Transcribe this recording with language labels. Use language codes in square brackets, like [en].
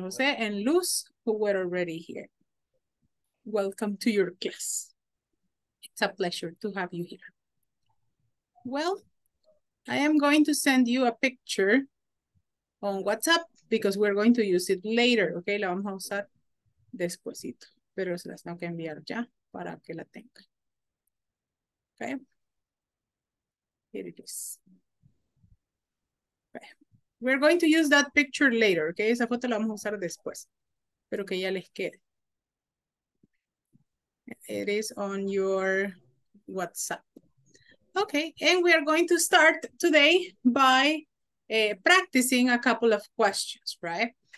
[en] Jose and Luz, who were already here. Welcome to your class. It's a pleasure to have you here. Well, I am going to send you a picture on WhatsApp because we're going to use it later, okay? [es] La vamos a usar despuesito, pero se las tengo que enviar ya para que la tenga. [en] Okay. Here it is. Okay. We're going to use that picture later, okay? [es] Esa foto la vamos a usar después, pero que ya les quede. [en] It is on your WhatsApp. Okay, and we are going to start today by practicing a couple of questions, right?